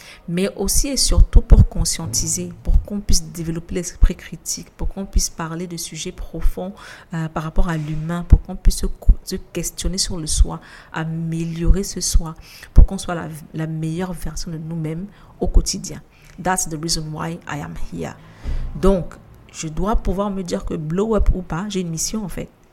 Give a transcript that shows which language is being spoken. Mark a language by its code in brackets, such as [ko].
[fr] Mais aussi et surtout pour conscientiser, pour qu'on puisse développer l'esprit critique, pour qu'on puisse parler de sujets profonds par rapport à l'humain, pour qu'on puisse se questionner sur le soi, améliorer ce soi, pour qu'on soit la meilleure version de nous-mêmes au quotidien. [en] That's the reason why I am here. [fr] Donc, je dois pouvoir me dire que blow up ou pas, j'ai une mission en fait.